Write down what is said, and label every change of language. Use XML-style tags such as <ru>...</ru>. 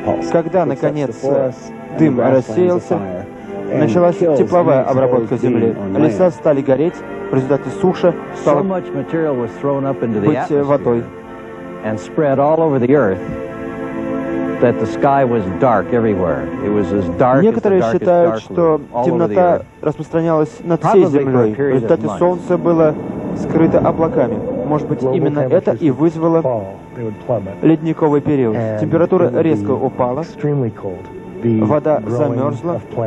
<ru>Когда, наконец, дым рассеялся, началась тепловая обработка Земли. Леса стали гореть, в результате суши стало быть водой.</ru> <en>And spread all over the earth that the sky was dark everywhere. It was as dark as</en> <ru>некоторые считают, что темнота распространялась над всей Землей. В результате солнце было скрыто облаками. Может быть, именно это и вызвало ледниковый период. Температура резко упала. Вода замерзла.</ru>